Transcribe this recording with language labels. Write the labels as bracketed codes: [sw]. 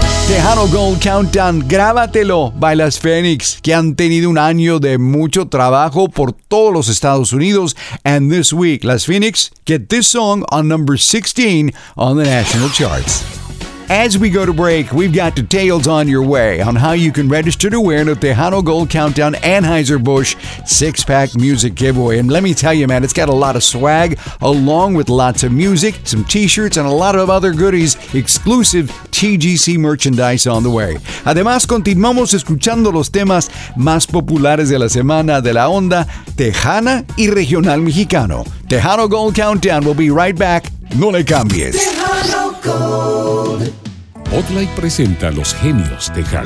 [es] Tejano Gold Countdown, grábatelo, Bailas Fénix, que han tenido un año de mucho trabajo por todos los Estados Unidos. [en] And this week, Las Fénix, get this song on number 16 on the national charts. As we go to break, we've got details on your way on how you can register to win a Tejano Gold Countdown Anheuser-Busch six-pack music giveaway. And let me tell you, man, it's got a lot of swag, along with lots of music, some t-shirts, and a lot of other goodies, exclusive TGC merchandise on the way. [es] Además, continuamos escuchando los temas más populares de la semana de la onda Tejana y Regional Mexicano. [en] Tejano Gold Countdown will be right back. [es] No le cambies. Botlight presenta a los genios tejanos.